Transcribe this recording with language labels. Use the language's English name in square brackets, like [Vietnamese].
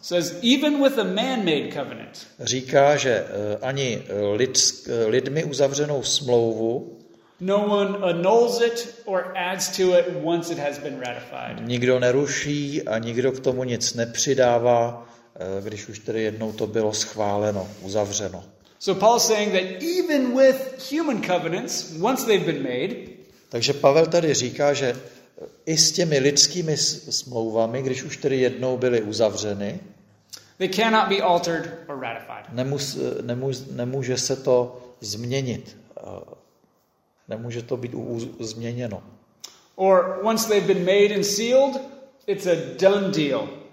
[English] Says even with a man-made covenant. [Czech] Říká, že ani lidmi uzavřenou smlouvu. [English] No one annuls it or adds to it once it has been ratified. [Czech] Nikdo neruší a nikdo k tomu nic nepřidává, když už tedy jednou to bylo schváleno, uzavřeno. [English] So Paul's saying that even with human covenants, once they've been made. [Czech] Takže Pavel tady říká, že i s těmi lidskými smlouvami, když už tedy jednou byly uzavřeny, [English] they cannot be altered or ratified. [Czech] Nemůže se to změnit. Nemůže to být změněno. [English] Or once they've been made and sealed, it's a done deal.